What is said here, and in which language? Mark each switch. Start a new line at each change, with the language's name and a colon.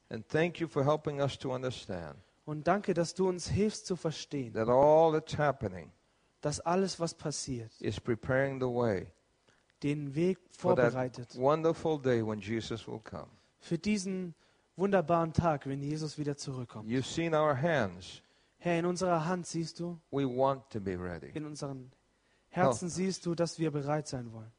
English: And thank you for helping us to understand,
German: und danke, dass du uns hilfst zu verstehen,
English: that all that's happening,
German: dass alles, was passiert,
English: is preparing the way,
German: den Weg vorbereitet,
English: for that wonderful day when Jesus will come.
German: Für diesen wunderbaren Tag, wenn Jesus wieder zurückkommt.
English: You've seen our hands.
German: Herr, in unserer Hand siehst du,
English: we want to be ready.
German: In unseren Herzen Help siehst du, dass wir bereit sein wollen.